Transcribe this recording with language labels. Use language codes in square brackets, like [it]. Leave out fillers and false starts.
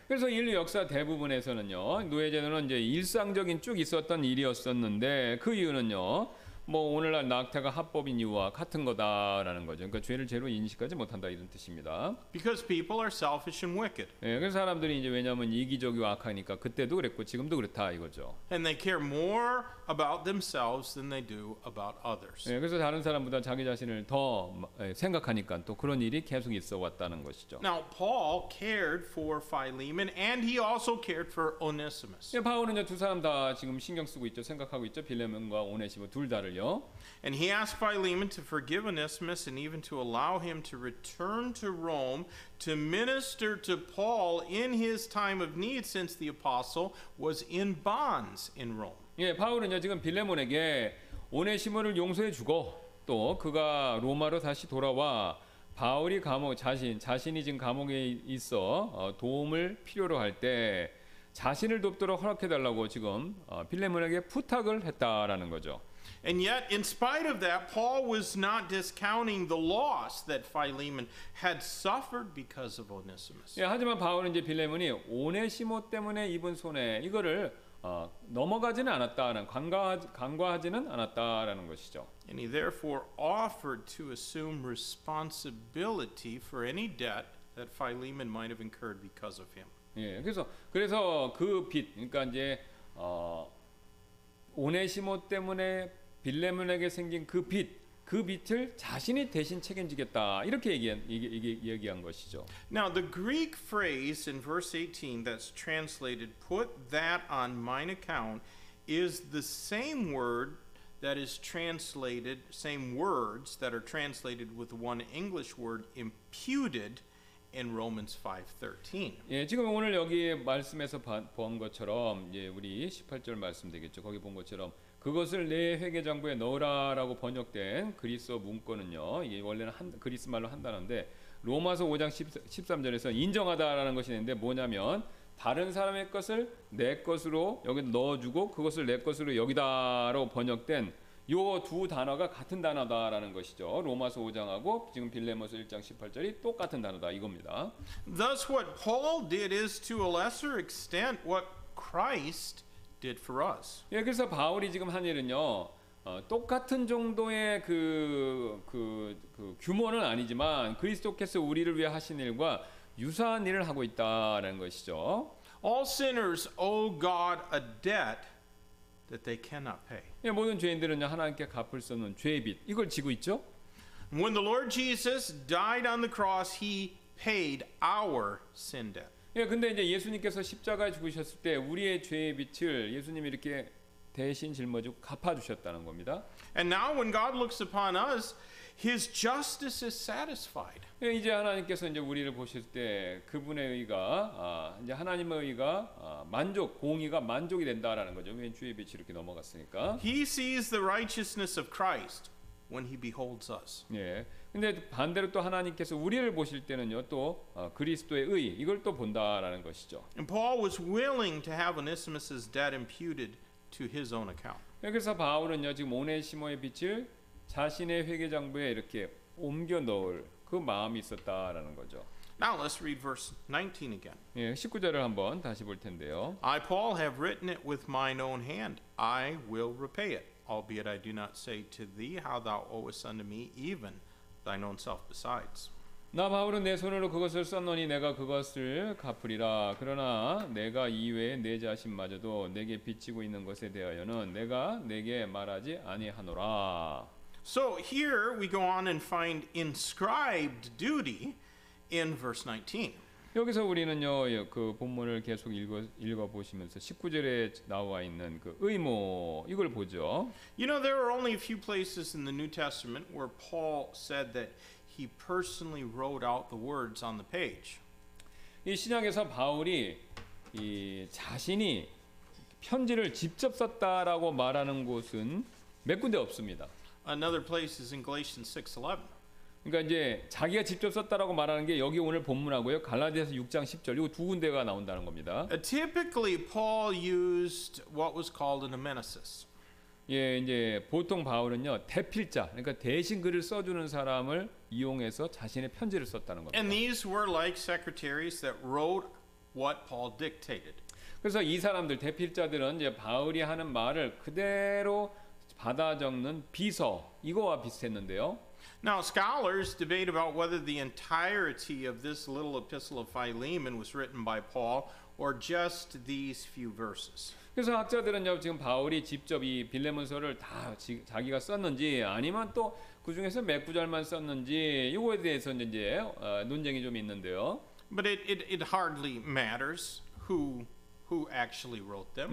[ko] 그래서 인류 역사 대부분에서는요 노예제도는 이제 일상적인 쭉 있었던 일이었었는데 그 이유는요. 뭐 오늘날 낙태가 합법인 이유와 같은 거다라는 거죠. 그러니까 죄를 죄로 인식하지 못한다 이런 뜻입니다. [en] Because people are selfish and wicked. [ko] 예, 그래서 사람들이 이제 왜냐하면 이기적이고 악하니까 그때도 그랬고 지금도 그렇다 이거죠. [en] And they care more about themselves than they do about others. [ko] 예, 그래서 다른 사람보다 자기 자신을 더 생각하니까 또 그런 일이 계속 있어 왔다는 것이죠. [en] Now Paul cared for Philemon and he also cared for Onesimus. [ko] 예, 바울은 이제 두 사람 다 지금 신경 쓰고 있죠. 생각하고 있죠. 빌레몬과 오네시모 둘 다. [en] And he asked Philemon to forgive Onesimus and even to allow him to return to Rome to minister to Paul in his time of need since the apostle was in bonds in Rome. [ko] 예, 바울은요 지금 빌레몬에게 오네시모를 용서해 주고 또 그가 로마로 다시 돌아와 바울이 감옥 자신이 지금 감옥에 있어 도움을 필요로 할 때 자신을 돕도록 허락해 달라고 지금 빌레몬에게 부탁을 했다라는 거죠. [en] And yet, in spite of that, Paul was not discounting the loss that Philemon had suffered because of Onesimus. [ko] 예, 하지만 바울은 이제 빌레몬이 오네시모 때문에 입은 손해 이거를 넘어가지는 않았다는 간과하지는 않았다라는 것이죠. [en] And he therefore offered to assume responsibility for any debt that Philemon might have incurred because of him. [ko] 예, 그래서 그 빚, 그러니까 이제 오네시모 때문에 빌레몬에게 생긴 그 빚을 자신이 대신 책임지겠다 이렇게 얘기한 것이죠. [en] Now the Greek phrase in verse 18 that's translated "put that on mine account" is the same word that is translated, same words that are translated with one English word "imputed" in Romans 5:13. [ko] 예, 지금 오늘 여기 말씀에서 본 것처럼 예, 우리 18절 말씀 되겠죠. 거기 본 것처럼. 그것을 내 회계장부에 넣으라라고 번역된 그리스어 문건은요. 이게 원래는 그리스 말로 한다는데 로마서 5장 13절에서 인정하다라는 것이 있는데 뭐냐면 다른 사람의 것을 내 것으로 여기 넣어주고 그것을 내 것으로 여기다로 번역된 요 두 단어가 같은 단어다라는 것이죠. 로마서 5장하고 지금 빌레몬서 1장 18절이 똑같은 단어다 이겁니다. [en] Thus what Paul did is to a lesser extent what Christ did for us. [ko] 예, 그래서 바울이 지금 한 일은요 똑같은 정도의 그 규모는 아니지만 그리스도께서 우리를 위해 하신 일과 유사한 일을 하고 있다라는 것이죠. [en] All sinners owe God a debt that they cannot pay. [ko] 예, 모든 죄인들은요 하나님께 갚을 수 없는 죄의 빚 이걸 지고 있죠. [en] When the Lord Jesus died on the cross, He paid our sin debt. [ko] 예, 근데 이제 예수님께서 십자가에 죽으셨을 때 우리의 죄의 빚을 예수님이 이렇게 대신 짊어지고 갚아주셨다는 겁니다. [en] And now when God looks upon us, His justice is satisfied. [ko] 이제 하나님께서 이제 우리를 보실 때 그분의 의가 이제 하나님의 의가 만족 공의가 만족이 된다라는 거죠. 왜 주의 빛이 이렇게 넘어갔으니까. [en] He sees the righteousness of Christ when he beholds us. 예. [ko] 근데 반대로 또 하나님께서 우리를 보실 때는요. 또 그리스도의 의 이걸 또 본다라는 것이죠. [en] And Paul was willing to have Onesimus's debt imputed to his own account. [ko] 그래서 바울은요 지금 오네시모의 빚을 자신의 회계 장부에 이렇게 옮겨 넣을 그 마음이 있었다라는 거죠. [en] Now let's read verse 19 again. [ko] 예, 19절을 한번 다시 볼 텐데요. [en] I Paul have written it with mine own hand. I will repay it. Albeit I do not say to thee how thou owest unto me even thine own self besides. [ko] 나 바울은 내 손으로 그것을 썼노니 내가 그것을 갚으리라. 그러나 내가 이외에 내 자신마저도 내게 빚지고 있는 것에 대하여는 내가 내게 말하지 아니하노라. [en] So here we go on and find inscribed duty in verse 19. [ko] 여기서 우리는요 그 본문을 계속 읽어 보시면서 19절에 나와 있는 그 의무 이걸 보죠. [en] You know there are only a few places in the New Testament where Paul said that he personally wrote out the words on the page. [ko] 이 신약에서 바울이 이 자신이 편지를 직접 썼다라고 말하는 곳은 몇 군데 없습니다. [en] Another place is in Galatians 6:11. [ko] 그러니까 이제 자기가 직접 썼다라고 말하는 게 여기 오늘 본문하고요. 갈라디아서 6장 10절 이거 두 군데가 나온다는 겁니다. [en] Typically Paul used what was called an amanuensis. [ko] 예, 이제 보통 바울은요. 대필자. 그러니까 대신 글을 써 주는 사람을 이용해서 자신의 편지를 썼다는 겁니다. [en] And these were like secretaries that wrote what Paul dictated. [ko] 그래서 이 사람들 대필자들은 이제 바울이 하는 말을 그대로 받아 적는 비서 이거와 비슷했는데요. [en] Now scholars debate about whether the entirety of this little epistle of Philemon was written by Paul or just these few verses. [ko] 그래서 학자들은요 지금 바울이 직접 이 빌레몬서를 다 자기가 썼는지 아니면 또 그 중에서 몇 구절만 썼는지 이거에 대해서 이제 논쟁이 좀 있는데요. [en] But it hardly matters who actually wrote them.